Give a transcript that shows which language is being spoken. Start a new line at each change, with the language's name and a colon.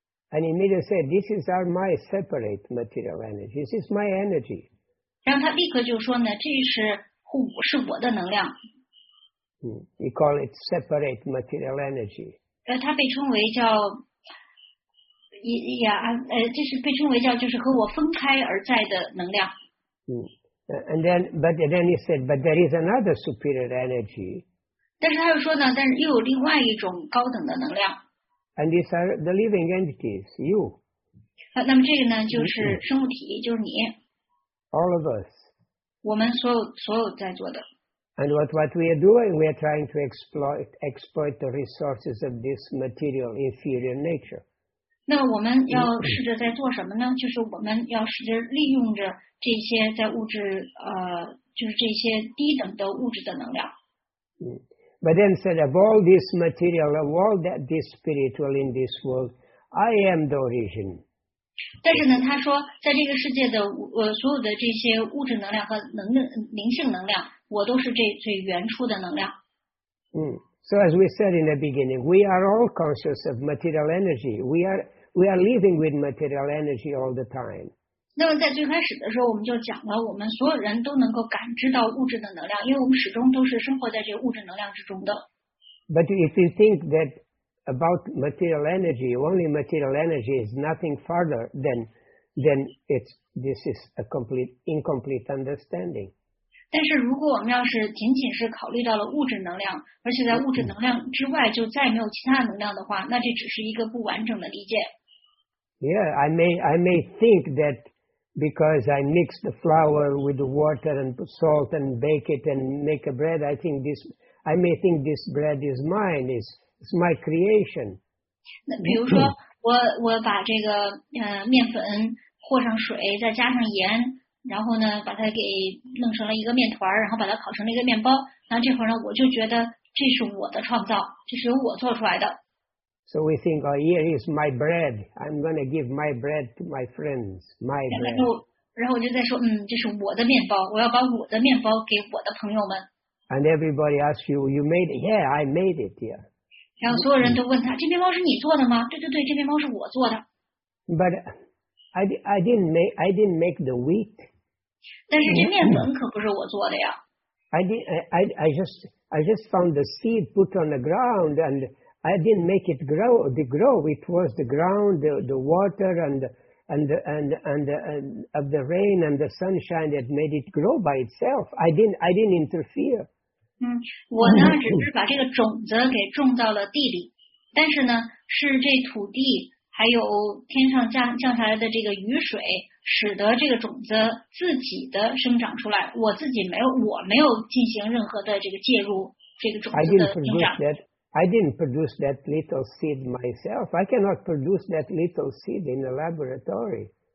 English: And he immediately said, "This is our my separate material energy. This is my energy."
Chinese: 然后他立刻就说呢，这是我的能量。
English: He called it separate material energy.
Chinese: 它被称为叫这是被称为叫就是和我分开而在的能量。
English: And then, but then he said, but there is another superior energy.
Chinese: 但是他又说呢，但是又有另外一种高等的能量。
English: And these are the living entities, you.
Chinese: 那么这个呢，就是生物体，就是你。
English: All of us.
Chinese: 我们所有在座的。
English: And what we are doing, we are trying to exploit the resources of this material inferior nature.
Chinese: 那我们要试着在做什么呢？就是我们要试着利用着这些在物质就是这些低等的物质的能量。
English: But then said, of all this material, of all that this spiritual in this world, I am the origin.
Chinese: 但是呢，他说，在这个世界的所有的这些物质能量和灵性能量。我都是这最原初的能量。
English: So as we said in the beginning, we are all conscious of material energy. We are living with material energy all the time.
Chinese: 那么在最开始的时候，我们就讲了，我们所有人都能够感知到物质的能量，因为我们始终都是生活在这物质能量之中的。
English: But if you think that about material energy, only material energy is nothing further than it's this is a complete incomplete understanding.
Chinese: 但是如果我们要是仅仅是考虑到了物质能量，而且在物质能量之外就再没有其他能量的话，那这只是一个不完整的理解。
English: Yeah, I may think that because I mix the flour with the water and salt and bake it and make a bread, I may think this bread is mine, it's my creation.
Chinese: 那比如说我把这个面粉和上水，再加上盐。然后呢，把它给弄成了一个面团，然后把它烤成了一个面包。那这会儿呢，我就觉得这是我的创造，这是由我做出来的。
English: So we think, oh, here is my bread. I'm going to give my bread to my friends. My bread.
Chinese: 然后我就在说，这是我的面包，我要把我的面包给我的朋友们。
English: And everybody asks you, you made it? Yeah, I made it. Yeah.
Chinese: 然后所有人都问他，这面包是你做的吗？对对对，这面包是我做的。
English: But I didn't make the wheat.
Chinese: 但是这面粉可不是我做的呀。
English: I just found the seed put on the ground and I didn't make it grow. The grow it was the ground, the water and of the rain and the sunshine that made it grow by itself. I didn't interfere.
Chinese: 我呢只是把这个种子给种到了地里，但是呢是这土地。还有天上降下来的这个雨水，使得这个种子自己的生长出来。我自己没有，我没有进行任何的这个介入这个种子的生长。
English: I didn't produce that little seed myself. I cannot produce that little seed in a laboratory.